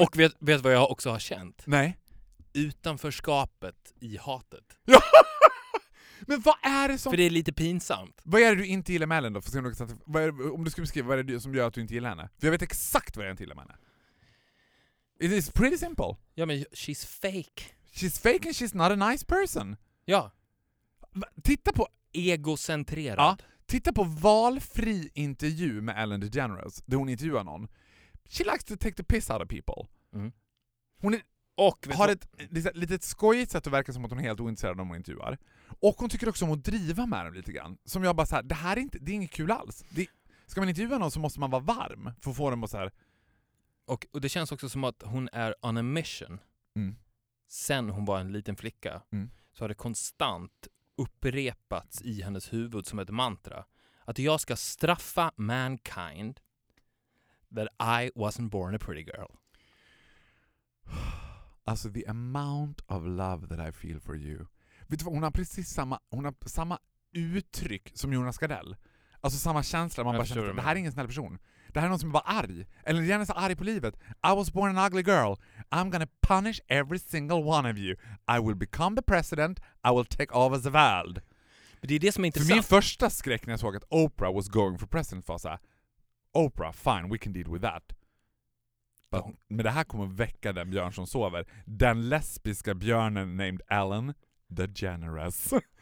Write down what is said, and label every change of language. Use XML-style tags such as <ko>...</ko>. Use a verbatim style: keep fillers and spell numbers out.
<sv>Och vet, vet vad jag också har känt? Nej. Utanförskapet i hatet. Ja! Men vad är det som... För det är lite pinsamt. Vad är det du inte gillar med Ellen då? För att, vad är, om du skulle beskriva vad är det som gör att du inte gillar henne? För jag vet exakt vad jag inte gillar med henne.</sv> <en>It is pretty simple.</en> <sv>Ja, men</sv> <en>she's fake. She's fake and she's not a nice person.</en> <sv>Ja. Titta på... Egocentrerad. Ja. Titta på valfri intervju med Ellen DeGeneres. Där hon intervjuar någon.</sv> <en>She likes to take the piss out of people. Mm.</en> <sv>Hon är... Och har ett litet skojigt sätt att verka som att hon är helt ointresserad om hon intervjuar. Och hon tycker också om att driva med dem lite grann. Som jag bara så här, det här är inte, det är inget kul alls. Det, ska man intervjua någon så måste man vara varm för att få dem att så här. Och, och det känns också som att hon är</sv> <en>on a mission. Mm.</en> <sv>Sen hon var en liten flicka mm. så har det konstant upprepats i hennes huvud som ett mantra. Att jag ska straffa</sv> <en>mankind that I wasn't born a pretty girl. Alltså the amount of love that I feel for you.</en> <sv>Vet du vad, hon har precis samma, hon har samma uttryck som Jonas Gardell. Alltså samma känsla. Man jag bara känner att det här är ingen snäll person. Det här är någon som är bara arg. Eller gärna är så arg på livet.</sv> <en>I was born an ugly girl. I'm gonna punish every single one of you. I will become the president. I will take over the world.</en> <sv>Men det är det som är intressant. För min första skräck när jag såg att</sv> <en>Oprah was going for president</en> <sv>var så här, Oprah,</sv> <en>fine, we can deal with that.</en> <sv>Men det här kommer väcka den björn som sover. Den lesbiska björnen named Ellen DeGeneres.</sv>